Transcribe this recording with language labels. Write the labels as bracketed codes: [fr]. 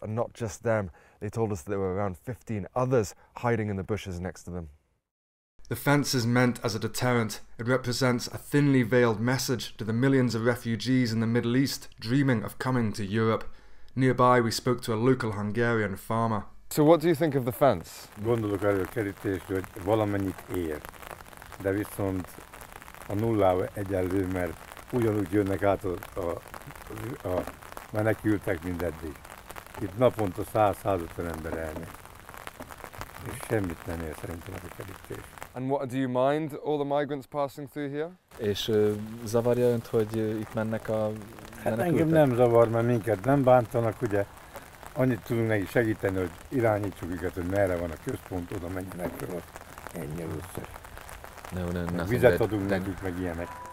[en] And not just them, they told us that there were around 15 others hiding in the bushes next to them. The fence is meant as a deterrent. It represents a thinly veiled message to the millions of refugees in the Middle East dreaming of coming to Europe. Nearby, we spoke to a local Hungarian farmer. So what do you think of the fence? [hu] Gondolok erről a kerítés, hogy valamennyit ér. De viszont a nullával egyenlő, mert ugyanúgy jönnek át a menekültek, mint eddig. Itt naponta 100-150 ember elmegy. És semmit nem ér szerintem ez a kerítés. [en] And what do you mind all the migrants passing through here? [hu] És zavarja önt, hogy itt mennek a menekültek? Hát engem nem zavar, mert minket nem bántanak, ugye. Annyit tudunk neki segíteni, hogy irányítsuk őket, hogy merre van a központ, oda menjenek, ott ennyi össze. No, vizet adunk nekik, meg ilyenek.